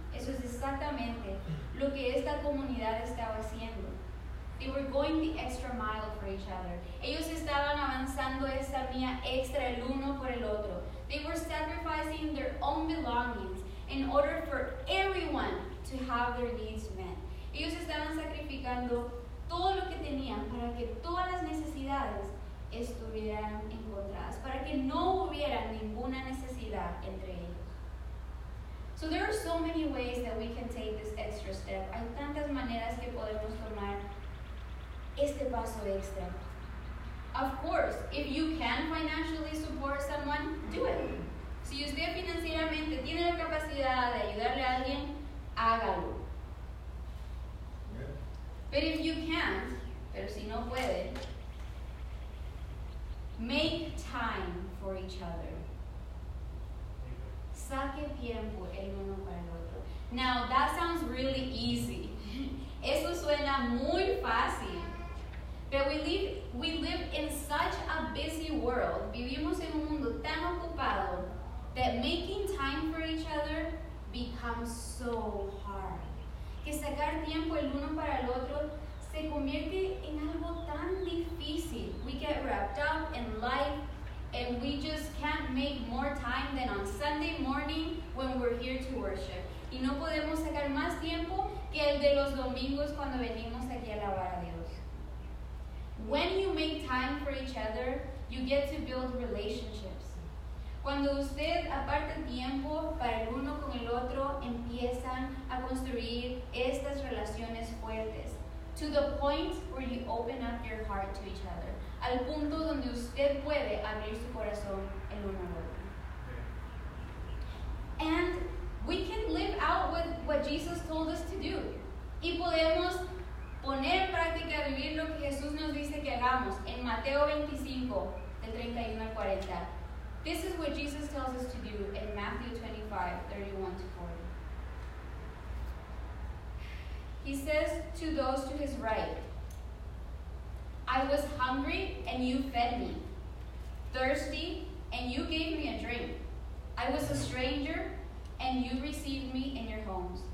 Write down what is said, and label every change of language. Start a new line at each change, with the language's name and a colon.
Spanish: Eso es exactamente lo que esta comunidad estaba haciendo.
English: They were going the extra mile for each other.
Spanish: Ellos estaban avanzando esa mía extra el uno por el otro.
English: They were sacrificing their own belongings in order for everyone to have their needs met.
Spanish: Ellos estaban sacrificando todo lo que tenían para que todas las necesidades estuvieran encontradas, para que no hubiera ninguna necesidad entre ellos.
English: So there are so many ways that we can take this extra step.
Spanish: Hay tantas maneras que podemos tomar este paso extra.
English: Of course, if you can financially support someone, do it.
Spanish: Si usted financieramente tiene la capacidad de ayudarle a alguien, hágalo.
English: But if you can't,
Spanish: pero si no puede,
English: make time for each other.
Spanish: Saque tiempo el uno para el otro.
English: Now, that sounds really easy.
Spanish: Eso suena muy fácil.
English: But we live in such a busy world,
Spanish: vivimos en un mundo tan ocupado,
English: that making time for each other becomes so hard.
Spanish: Que sacar tiempo el uno para el otro se convierte en algo tan difícil.
English: We get wrapped up in life, and we just can't make more time than on Sunday morning when we're here to worship.
Spanish: Y no podemos sacar más tiempo que el de los domingos cuando venimos aquí a alabar a Dios.
English: When you make time for each other, you get to build relationships.
Spanish: Cuando usted aparta tiempo para el uno con el otro, empiezan a construir estas relaciones fuertes.
English: To the point where you open up your heart to each other.
Spanish: Al punto donde usted puede abrir su corazón el uno al otro.
English: And we can live out with what Jesus told us to do.
Spanish: Y podemos poner en práctica vivir lo que Jesús nos dice que hagamos en Mateo 25, del 31 al 40.
English: This is what Jesus tells us to do in Matthew 25, 31 to 40. He says to those to his right, I was hungry and you fed me. thirsty, and you gave me a drink. I was a stranger, and you received me in your homes.